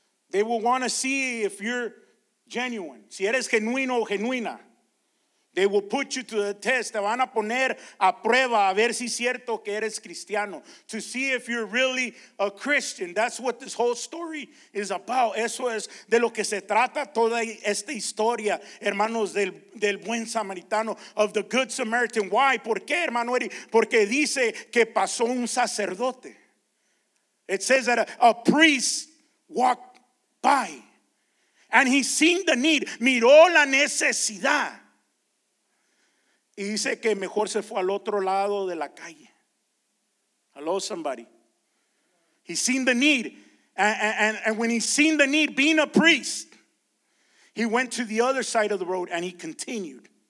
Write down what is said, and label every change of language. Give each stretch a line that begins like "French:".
English: They will want to see if you're genuine.
Spanish: Si eres genuino o genuina.
English: They will put you to the test.
Spanish: Te van a poner a prueba a ver si es cierto que eres cristiano.
English: To see if you're really a Christian. That's what this whole story is about.
Spanish: Eso es de lo que se trata toda esta historia, hermanos, del buen samaritano,
English: of the good Samaritan. Why?
Spanish: ¿Por qué, hermano Eri? Porque dice que pasó un sacerdote.
English: It says that a priest walked by. And he seen the need.
Spanish: Miró la necesidad. Y dice que mejor se fue al otro lado de la calle.
English: Hello, somebody. He seen the need. And when he seen the need, being a priest, he went to the other side of the road and he continued.